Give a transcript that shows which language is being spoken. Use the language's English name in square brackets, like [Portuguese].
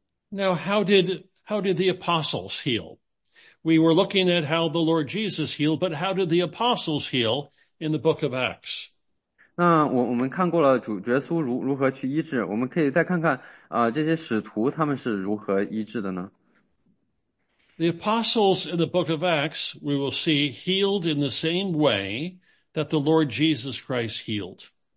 [English] Now, how did the apostles heal? We were looking at how the Lord Jesus healed, but how did the apostles heal in the book of Acts? [Chinese] 那我们看过了主耶稣如何去医治，我们可以再看看这些使徒他们是如何医治的呢？ [English] The apostles in the book of Acts, we will see, healed in the same way that the Lord Jesus Christ healed.